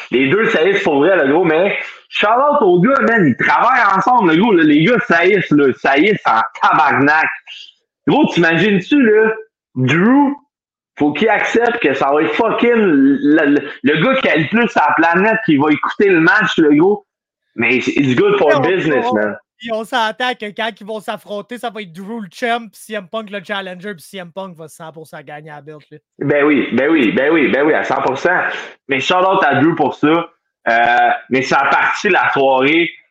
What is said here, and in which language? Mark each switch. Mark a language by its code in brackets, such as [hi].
[fr] Les deux, ça est pour vrai, le gros, mais... Shout-out aux gars, man, ils travaillent ensemble, le gros, là, les gars, ça hisse en tabarnak. Gros, t'imagines-tu, là, Drew, faut qu'il accepte que ça va être fucking le gars qui a le plus sa planète, qui va écouter le match, le gros. [en] Mais it's good for business, man. [fr] Et on s'entend que quand ils vont s'affronter, ça va être Drew le champ, puis CM Punk le challenger, puis CM Punk va 100% gagner à la belt, là. Ben oui, à 100%. Mais shout-out à Drew pour ça. Mais ça a parti la soirée.